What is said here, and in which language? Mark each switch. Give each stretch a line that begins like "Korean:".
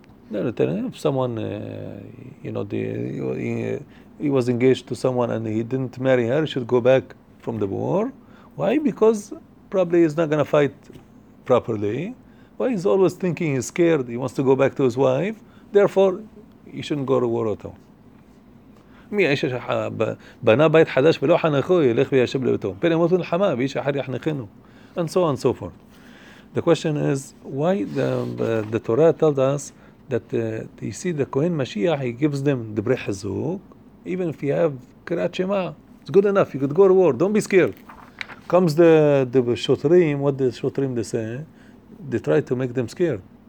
English: If someone, he was engaged to someone and he didn't marry her, he should go back from the war. Why? Because probably he's not going to fight properly. Why? He's always thinking, he's scared, he wants to go back to his wife. Therefore, he shouldn't go to war at all.
Hebrew: מי איש שבנה בית חדש ולא חנכו ילך וישב לביתו פן ימות ונחמה ואיש אחר יחנכנו
English: and so on and so forth. The question is why the Torah tells us that you see the Kohen Mashiach, he gives them the Brei Chizuk, even if you have Kriat Shema, it's good enough, you could go to war, don't be scared. Comes the Shotrim, what the Shotrim they say, they try to make them scared.